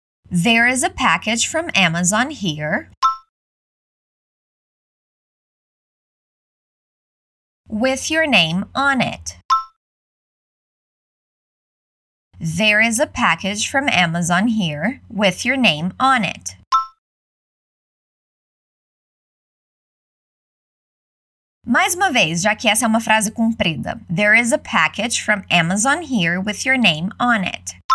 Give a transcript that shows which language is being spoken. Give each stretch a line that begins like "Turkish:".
English: There is a package from Amazon here with your name on it. There is a package from Amazon here with your name on it.
Portuguese: Mais uma vez, já que essa é uma frase comprida.
English: There is a package from Amazon here with your name on it.